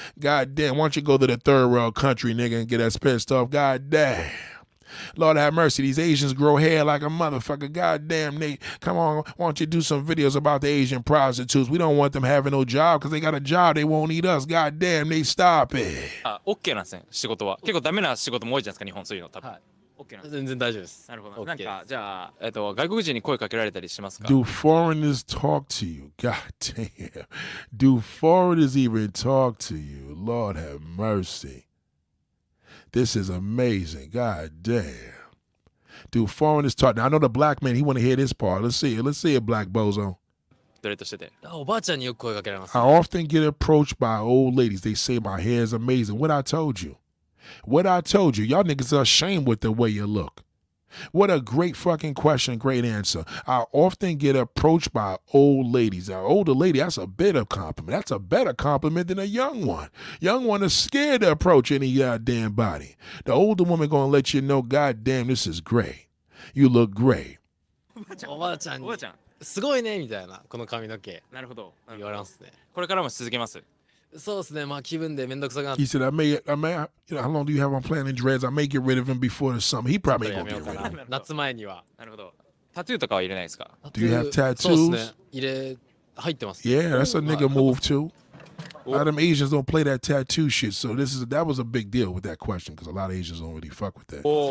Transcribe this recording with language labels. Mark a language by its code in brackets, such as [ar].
[en] God damn, why don't you go to the third world country, nigga, and get us pissed off? God damn. Lord have mercy. These Asians grow hair like a motherfucker. God damn, Nate. Come on, why don't you do some videos about the Asian prostitutes? We don't want them having no job because they got a job. They won't eat us. God damn, Nate, stop it. Okay, that's it. [ja] 仕事は結構ダメな仕事も多いじゃないですか、日本そういうの多分。全然大丈夫です。なるほど。なんか、じゃあ、外国人に声かけられたりしますか? [en] Do foreigners talk to you? God damn. Do foreigners even talk to you? Lord have mercy. This is amazing. God damn. Do foreigners talk? Now, I know the black man, he want to hear this part. Let's see it, black bozo. [ja] おばあちゃんによく声かけられます。 [en] I often get approached by old ladies. They say my hair is amazing. What I told you? Y'all niggas are ashamed with the way you look. What a great fucking question. Great answer. I often get approached by old ladies. Now, older lady, that's a better compliment. That's a better compliment than a young one. Young one is scared to approach any goddamn body. The older woman going to let you know, goddamn, this is great. You look great. [ja] おばあちゃん、すごいねみたいな、この髪の毛。なるほど。言われますね。これからも続けます。そうですね、まあ気分でめんどくさくなって。 [en] He said, I may, how long do you have on planning dreads? I may get rid of him before the summer. He probably ain't gonna get rid of him. [ja] 夏前には。なるほど。タトゥーとかは入れないですか? [en] Do you have tattoos? Yeah, that's a nigga move too. A lot of Asians don't play that tattoo shit, so this is, that was a big deal with that question, because a lot of Asians don't really fuck with that.